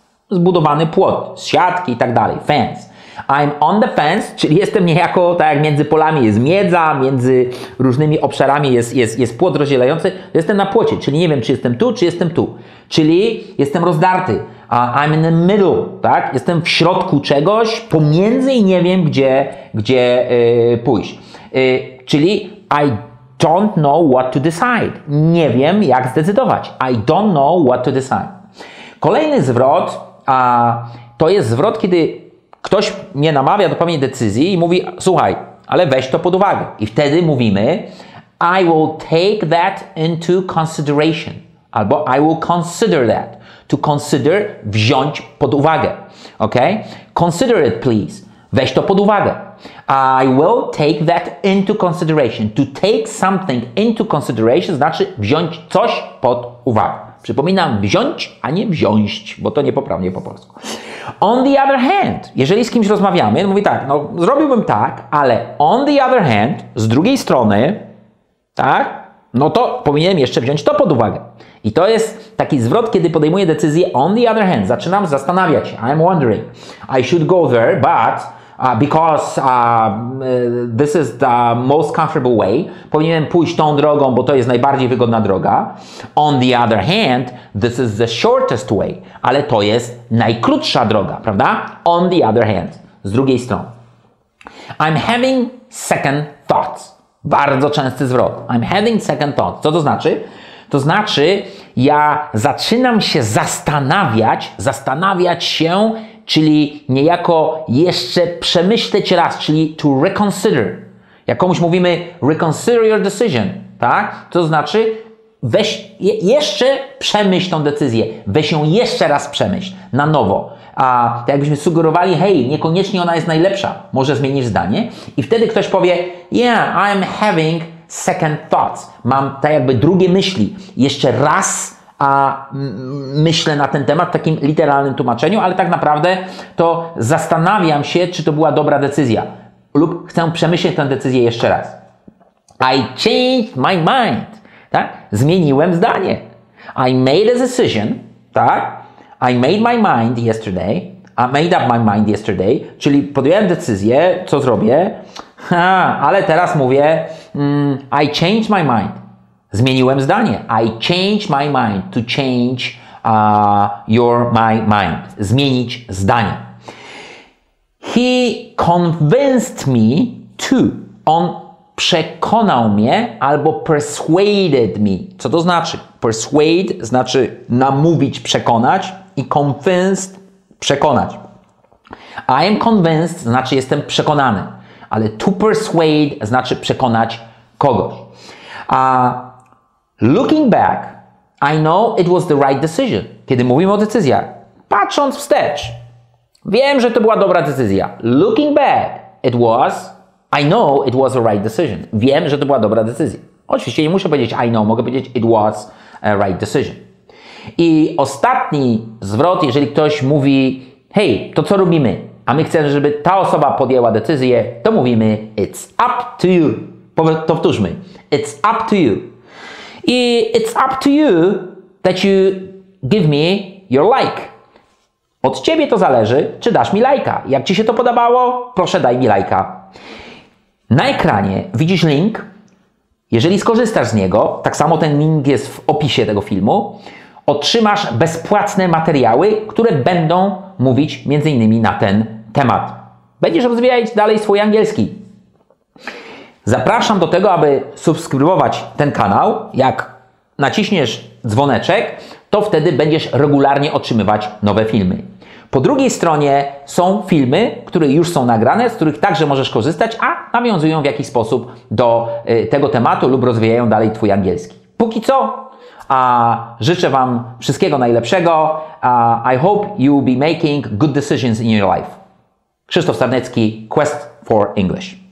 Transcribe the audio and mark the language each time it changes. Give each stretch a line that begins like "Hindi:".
Polish: Zbudowany płot, siatki i tak dalej. Fence.
English: I'm on the fence,
Polish: czyli jestem niejako, tak jak między polami jest miedza, między różnymi obszarami jest płot rozdzielający. Jestem na płocie, czyli nie wiem, czy jestem tu, czy jestem tu. Czyli jestem rozdarty.
English: I'm in the middle,
Polish: tak? Jestem w środku czegoś, pomiędzy i nie wiem, gdzie pójść. Czyli
English: I don't know what to decide.
Polish: Nie wiem, jak zdecydować.
English: I don't know what to decide.
Polish: Kolejny zwrot, to jest zwrot, kiedy ktoś mnie namawia do podjęcia decyzji i mówi, słuchaj, ale weź to pod uwagę. I wtedy mówimy,
English: I will take that into consideration.
Polish: Albo
English: I will consider that. To consider,
Polish: wziąć pod uwagę. Ok?
English: Consider it, please.
Polish: Weź to pod uwagę.
English: I will take that into consideration. To take something into consideration
Polish: znaczy wziąć coś pod uwagę. Przypominam, wziąć, a nie wziąć, bo to niepoprawnie po polsku.
English: On the other hand,
Polish: jeżeli z kimś rozmawiamy, mówi tak, no zrobiłbym tak, ale
English: on the other hand,
Polish: z drugiej strony, tak, no to powinienem jeszcze wziąć to pod uwagę. I to jest taki zwrot, kiedy podejmuję decyzję
English: on the other hand.
Polish: Zaczynam zastanawiać się.
English: I'm wondering. I should go there, but because this is the most comfortable way.
Polish: Powinienem pójść tą drogą, bo to jest najbardziej wygodna droga.
English: On the other hand, this is the shortest way.
Polish: Ale to jest najkrótsza droga, prawda?
English: On the other hand.
Polish: Z drugiej strony.
English: I'm having second thoughts.
Polish: Bardzo częsty zwrot.
English: I'm having second thoughts.
Polish: Co to znaczy? To znaczy, ja zaczynam się zastanawiać się, czyli niejako jeszcze przemyśleć raz, czyli to reconsider. Jak komuś mówimy
English: reconsider your decision,
Polish: tak? To znaczy weź jeszcze przemyśl tą decyzję, weź ją jeszcze raz przemyśl, na nowo. A tak jakbyśmy sugerowali, hej, niekoniecznie ona jest najlepsza, może zmienisz zdanie? I wtedy ktoś powie,
English: yeah, I'm having second thoughts.
Polish: Mam tak jakby drugie myśli. Jeszcze raz myślę na ten temat w takim literalnym tłumaczeniu, ale tak naprawdę to zastanawiam się, czy to była dobra decyzja. Lub chcę przemyśleć tę decyzję jeszcze raz.
English: I changed my mind.
Polish: Tak? Zmieniłem zdanie.
English: I made a decision. Tak? I made my mind yesterday. I made up my mind yesterday.
Polish: Czyli podjąłem decyzję, co zrobię. Ale teraz mówię,
English: I changed my mind.
Polish: Zmieniłem zdanie. I changed my mind.
English: To change your my mind.
Polish: Zmienić zdanie.
English: He convinced me to.
Polish: On przekonał mnie albo persuaded me. Co to znaczy? Persuade znaczy namówić, przekonać i convinced przekonać.
English: I am convinced
Polish: znaczy jestem przekonany, ale to persuade znaczy przekonać kogoś.
English: Looking back, I know it was the right decision.
Polish: Kiedy mówimy o decyzjach, patrząc wstecz, wiem, że to była dobra decyzja.
English: Looking back, it was, I know it was the right decision.
Polish: Wiem, że to była dobra decyzja. Oczywiście nie muszę powiedzieć
English: I know,
Polish: mogę powiedzieć
English: it was a right decision.
Polish: I ostatni zwrot, jeżeli ktoś mówi, hej, to co robimy? A my chcemy, żeby ta osoba podjęła decyzję, to mówimy
English: it's up to you.
Polish: Powtórzmy,
English: it's up to you. I it's up to you that you give me your like.
Polish: Od ciebie to zależy, czy dasz mi lajka. Jak ci się to podobało, proszę daj mi lajka. Na ekranie widzisz link. Jeżeli skorzystasz z niego, tak samo ten link jest w opisie tego filmu, otrzymasz bezpłatne materiały, które będą mówić między innymi na ten temat. Będziesz rozwijać dalej swój angielski. Zapraszam do tego, aby subskrybować ten kanał. Jak naciśniesz dzwoneczek, to wtedy będziesz regularnie otrzymywać nowe filmy. Po drugiej stronie są filmy, które już są nagrane, z których także możesz korzystać, a nawiązują w jakiś sposób do tego tematu lub rozwijają dalej twój angielski. Póki co, życzę Wam wszystkiego najlepszego.
English: I hope you'll be making good decisions in your life. Krzysztof Sarnecki, Quest for English.